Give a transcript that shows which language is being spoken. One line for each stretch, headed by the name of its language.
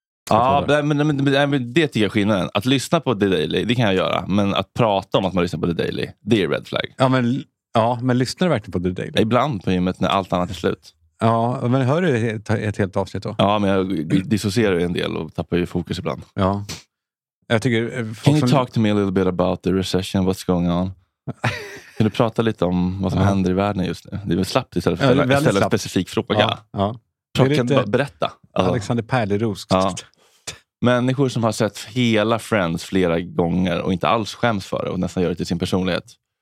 Swedish: Ja, men det tycker jag är skillnaden. Att lyssna på The Daily, det kan jag göra. Men att prata om att man lyssnar på The Daily, det är
English: red flag.
Swedish: Ja, men lyssnar du verkligen på The Daily? Ibland på gymmet när allt annat är slut. Ja, men hör du ett helt avsnitt då? Ja, men jag dissocierar ju en del och tappar ju fokus ibland. Ja, Jag tycker,
English: can you talk to me a little bit about the recession, what's going on?
Swedish: Kan du prata lite om vad som händer i världen just nu? Det är väl slappt istället för att ställa en specifik fråga. Ja, ja. Kan du berätta? Alexander Pärlerosk. Ja. Människor som har sett hela Friends flera gånger och inte alls skäms för det och nästan gör det till sin personlighet.